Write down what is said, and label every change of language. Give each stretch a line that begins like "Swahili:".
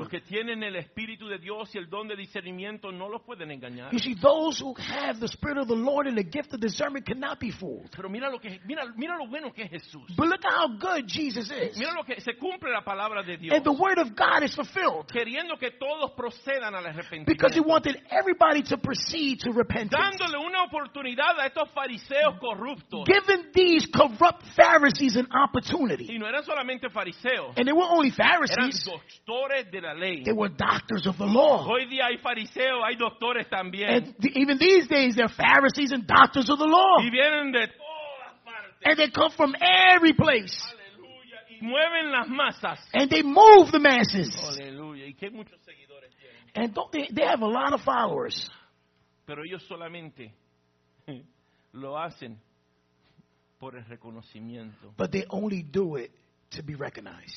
Spanish: Los que tienen el Espíritu de Dios y el don de discernimiento no los pueden engañar.
English: You see, those who have the Spirit of the Lord and the gift of discernment cannot be fooled.
Spanish: Pero mira lo que, mira lo bueno que es Jesús.
English: But look at how good Jesus is.
Spanish: Mira lo que se cumple la palabra de Dios.
English: And the word of God is fulfilled.
Spanish: Queriendo que todos procedan al arrepentimiento.
English: Because he wanted everybody to proceed. To repentance.
Spanish: Dándole una oportunidad a estos fariseos corruptos.
English: Giving these corrupt Pharisees an opportunity.
Spanish: Y no eran solamente fariseos.
English: And they weren't only Pharisees.
Spanish: Eran doctores de la ley.
English: They were doctors of the law.
Spanish: Hoy día hay fariseos, hay doctores también.
English: And even these days there are Pharisees and doctors of the law.
Spanish: Y vienen de todas partes.
English: And they come from every place.
Spanish: Aleluya. Y mueven las masas.
English: And they move the masses.
Spanish: Aleluya. Y qué muchos seguidores tienen.
English: And don't they have a lot of followers.
Spanish: Pero ellos solamente lo hacen por el reconocimiento.
English: But they only do it to be recognized.